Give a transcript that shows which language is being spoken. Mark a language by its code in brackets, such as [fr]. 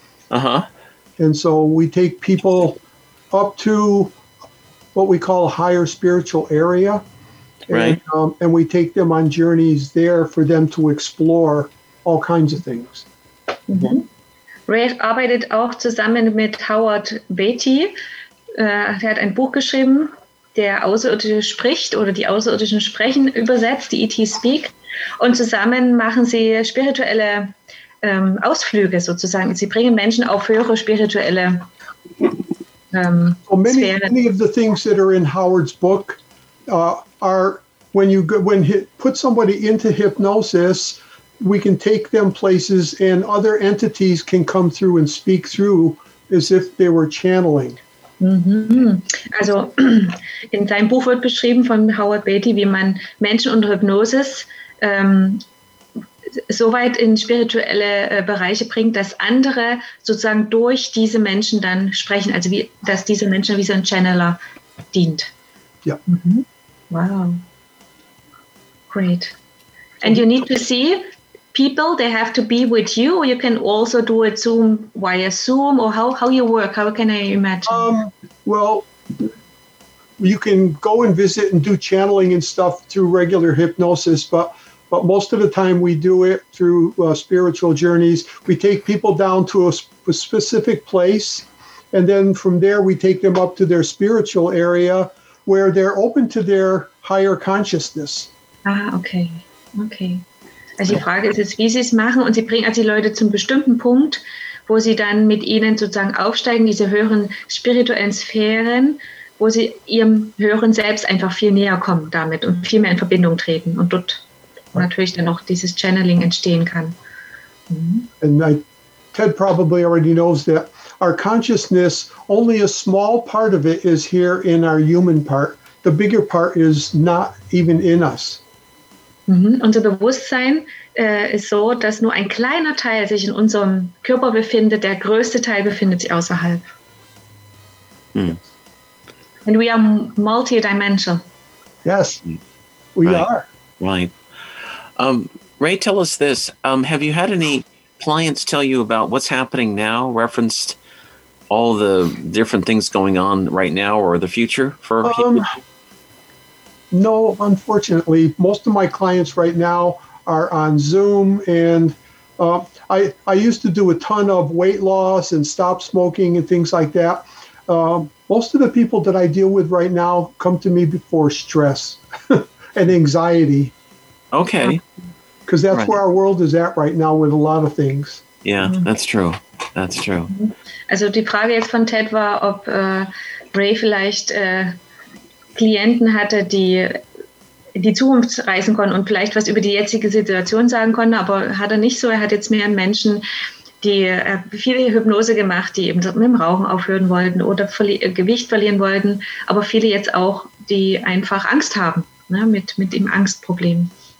[en] Uh-huh. And so we take people up to what we call a higher spiritual area. Right. And we take them on journeys there for them to explore all kinds of things. [de] Mm-hmm. Ray arbeitet auch zusammen mit Howard Beatty. Er hat ein Buch geschrieben, der Außerirdische spricht oder die Außerirdischen sprechen, übersetzt, die E.T. Speak. Und zusammen machen sie spirituelle Ausflüge sozusagen. Sie bringen Menschen auf höhere spirituelle [en] So many of the things that are in Howard's book are when you put somebody into hypnosis, we can take them places and other entities can come through and speak through as if they were channeling. Mm-hmm. [de] Also in seinem Buch wird beschrieben von Howard Beatty, wie man Menschen unter Hypnosis so weit in spirituelle Bereiche bringt, dass andere sozusagen durch diese Menschen dann sprechen, also wie, dass diese Menschen wie so ein Channeler dient. Ja. [en] Mm-hmm. Wow. Great. And you need to see people, they have to be with you, or you can also do it Zoom via Zoom, or how you work, how can I imagine? Well, you can go and visit and do channeling and stuff through regular hypnosis, but most of the time we do it through spiritual journeys. We take people down to a specific place, and then from there we take them up to their spiritual area where they're open to their higher consciousness. Okay. [de] Also die Frage ist jetzt, wie sie es machen. Und sie bringen also die Leute zum bestimmten Punkt, wo sie dann mit ihnen sozusagen aufsteigen, diese höheren spirituellen Sphären, wo sie ihrem höheren Selbst einfach viel näher kommen damit und viel mehr in Verbindung treten. Und dort natürlich dann auch dieses Channeling entstehen kann. Mhm. [en] And Ted probably already knows that our consciousness, only a small part of it is here in our human part. The bigger part is not even in us. Mm-hmm. [de] Unser Bewusstsein ist so, dass nur ein kleiner Teil sich in unserem Körper befindet, der größte Teil befindet sich außerhalb. [en] Mm. And we are multidimensional. Yes, we right. are. Right. Ray, tell us this. Have you had any clients tell you about what's happening now, referenced all the different things going on right now or the future for people? No, unfortunately, most of my clients right now are on Zoom, and I used to do a ton of weight loss and stop smoking and things like that. Most of the people that I deal with right now come to me before stress and anxiety. Okay. Because that's right. where our world is at right now with a lot of things. Yeah, that's true. That's true. [de] Also die Frage jetzt von Ted war, ob Ray vielleicht Klienten hatte, die in die Zukunft reisen konnten und vielleicht was über die jetzige Situation sagen konnten, aber hat er nicht so. Er hat jetzt mehr Menschen, die viele Hypnose gemacht, die eben mit dem Rauchen aufhören wollten oder Gewicht verlieren wollten, aber viele jetzt auch, die einfach Angst haben, ne, mit dem Angstproblem.